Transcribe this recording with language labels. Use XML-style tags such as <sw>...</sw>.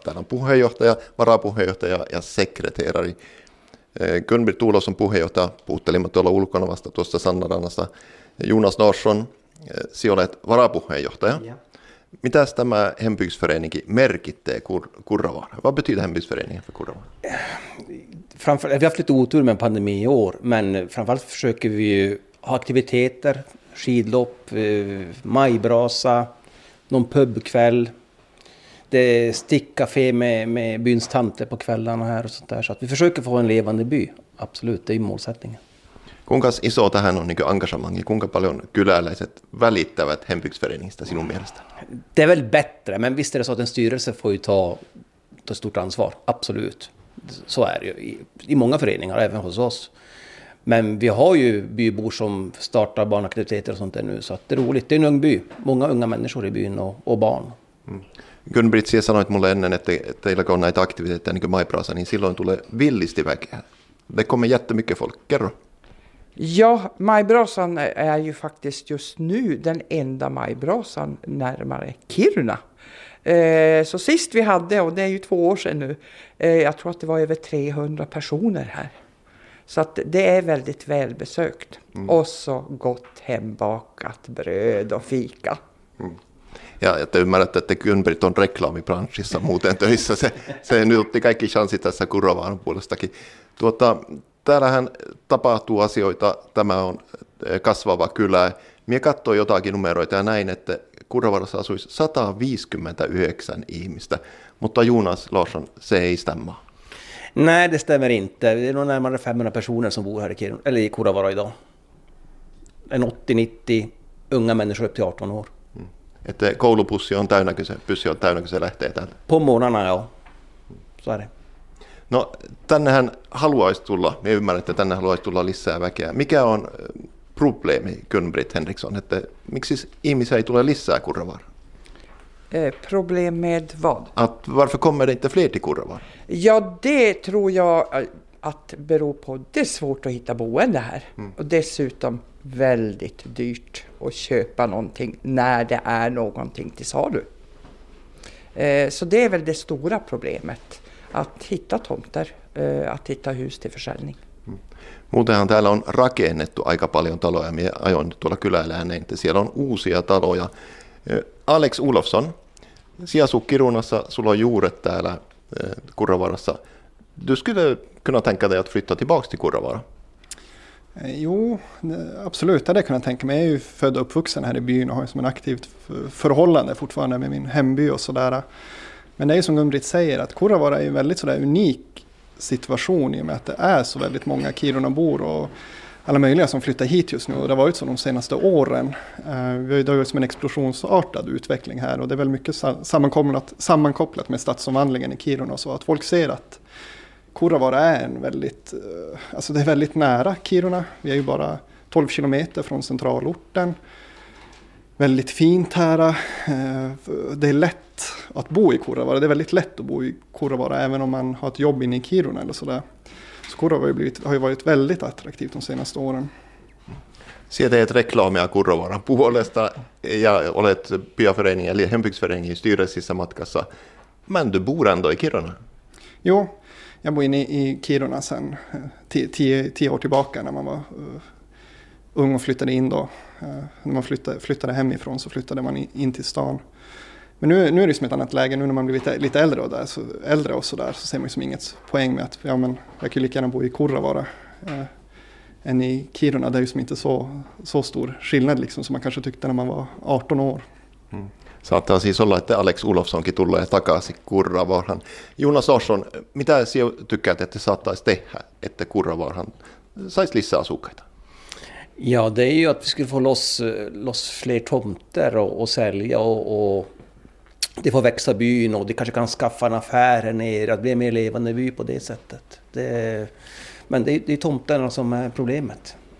<fi>Täällä on puheenjohtaja, varapuheenjohtaja ja sekreteerari. Gunnbir Tuulos on puheenjohtaja, puhuttelimme tuolla ulkona vasta tuossa Sannanrannassa. Jonas Norsson, sinä olet varapuheenjohtaja. Mitäs tämä Hembygdsföreningin merkittää Kurravaaraa?</fi> <sv>Vad betyder Hembygdsföreningin för Kurravaaraa? Vi har haft lite otur med pandemi i år, men framförallt försöker vi ju ha aktiviteter, skidlopp, majbrasa, någon pubkväll, det är stickcafé med byns tante på kvällarna här och sånt där. Så att vi försöker få en levande by, absolut, det är ju målsättningen.</sv> <fi>Kuinka iso tähän on niin kuin engagemang, kuinka paljon kyläläiset välittävät Hembygdsföreningistä sinun mielestä?</fi> <sv>Det är väl bättre, men visst är det så att en styrelse får ju ta stort ansvar, absolut. Så är det ju i många föreningar, även hos oss. Men vi har ju bybor som startar barnaktiviteter och sånt där nu, så att det är roligt. Det är en ung by. Många unga människor i byn och barn.</sv> <fi>Gunn-Britt, sä sanoit mulle ennen, että teillä kun on näitä aktiviteetteja niin kuin Majbrasa, niin silloin tulee villisti väkeä.</fi> <sv>Det kommer jättemycket folk.</sv> <fi>Kerro.</fi> <sv>Ja, Majbrasan är ju faktiskt just nu den enda Majbrasan närmare Kiruna. Så sist vi hade, och det är ju 2 år sedan nu, jag tror att det var över 300 personer här. Så att det är väldigt välbesökt. Mm. Och så gott hembakat bröd och fika. Mm. Ja, jag tycker att det är Gunn-Britt</sv> <fi>on reklamibranschissa muuten töissä. Se är nyt kaikki chansi tässä Kurravaaran puolestakin. Täällähän tapahtuu asioita, tämä on kasvava kylä. Mie katsoin jotakin numeroita ja näin, että Kurravaarassa asuisi 159 ihmistä, mutta Jonas Larsson, se ei stämma.</fi> <sv>Nej, det stämmer inte. Det är nog närmare 500 personer som bor här i Kurravaara idag. En 80-90 unga människor upp till 18 år.</sv> <fi>Että koulupussi on täynnä, kun se pussi on täynnä, kun se lähtee täältä.</fi> <sv>På månaderna, joo. Så är det.</sv> <fi>No, tännehän haluaisi tulla, me ymmärrän, että tänne haluaisi tulla lisää väkeä. Mikä on problemi, Gunn-Britt Henriksson, että miksi ihmisiä ei tule lisää Kurravaaraan?</fi> <sv>Problem med vad? Att varför kommer det inte fler till Kurravaara? Ja, det tror jag att beror på att det är svårt att hitta boende här. Mm. Och dessutom väldigt dyrt att köpa någonting när det är någonting till salu. Så det är väl det stora problemet. Att hitta tomter, att hitta hus till försäljning.</sv> <fi>Muutenhan täällä on rakennettu aika paljon taloja. Minä ajoin tuolla kylällä näin, että siellä on uusia taloja. Alex Olofsson, sinä asuu Kirunassa, sulla on juuret täällä Kurravaarassa.</fi> <sv>Du skulle kunna tänka dig att flytta tillbaka till Kurravaara? Jo, absolut. Det kan jag tänka mig. Jag är ju född och uppvuxen här i byn och har som en aktivt förhållande fortfarande med min hemby och sådär. Men det är som Gunn-Britt säger att Kurravaara är en väldigt sådär unik situation i och med att det är så väldigt många Kirunabor och alla möjliga som flyttar hit just nu. Och det har varit så de senaste åren. Vi har ju dragit som en explosionsartad utveckling här och det är väl mycket sammankopplat med stadsomvandlingen i Kiruna. Så att folk ser att Kurravaara är en väldigt, alltså det är väldigt nära Kiruna. Vi är ju bara 12 kilometer från centralorten. Väldigt fint här. Det är lätt att bo i Kurravaara. Det är väldigt lätt att bo i Kurravaara även om man har ett jobb inne i Kiruna eller sådär. Så Kurravaara har ju varit väldigt attraktivt de senaste åren.</sv> <fi>Siitä teet reklaamia Kurrovaaran puolesta ja olet byaföreningen eli hembygdsföreningen styrelsissä matkassa.</fi> <sv>Men du bor ändå i Kiruna? Jo, jag bor inne i Kiruna sedan 10 år tillbaka när man var ung och flyttade in då. När man flyttade hemifrån så flyttade man in till stan. Men nu är det som ett annat läge, nu när man blir lite äldre och sådär, så ser man ju som inget poäng med att ja, men jag kan ju lika gärna bo i Kurrovaara än i Kiruna. Det är ju som inte så stor skillnad liksom, som man kanske tyckte när man var 18 år. Så att det</sv> <fi>siis olla, että Alex Olofssonkin tulee takaisin Kurrovaaraan. Jonas Larsson, mitä sinä tykkäät, että saattaisi tehdä, että Kurrovaaraan saisi lisää asukkaita?</fi> <sv>Ja, det är ju att vi skulle få loss fler tomter och sälja och det får växa byn och det kanske kan skaffa en affär här nere, att bli mer levande by på det sättet. Men det är tomterna som är problemet.</sv>